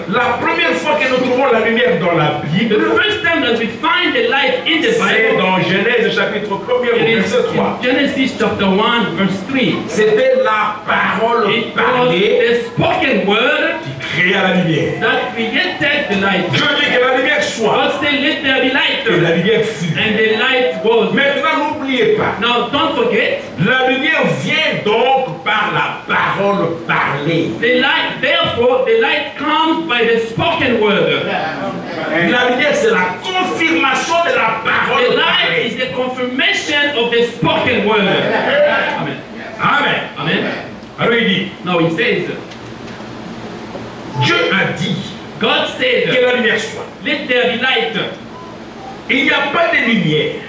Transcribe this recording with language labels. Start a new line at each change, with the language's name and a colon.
French: La première fois que nous trouvons la lumière dans la Bible.
English: The first time that we find the light in the Bible.
French: C'est dans Genèse chapitre 1 verset 3.
English: Genesis chapter 1 verse 3.
French: C'était la parole parlée.
English: The spoken word.
French: Qui créa la lumière.
English: That created the light.
French: Dieu dit que la lumière soit.
English: God said let there be light.
French: Et la lumière fut.
English: And the light was.
French: Maintenant n'oubliez pas.
English: Now don't forget.
French: La lumière vient donc par la parole parlée.
English: The light, therefore, the light comes by the spoken word.
French: La lumière, c'est la confirmation de la parole.
English: The light is the confirmation of the spoken word. Amen. Amen. Amen.
French: Alors il dit.
English: Now he says.
French: Dieu a dit.
English: God said.
French: Que la lumière soit.
English: Let there be light.
French: Il n'y a pas de lumière.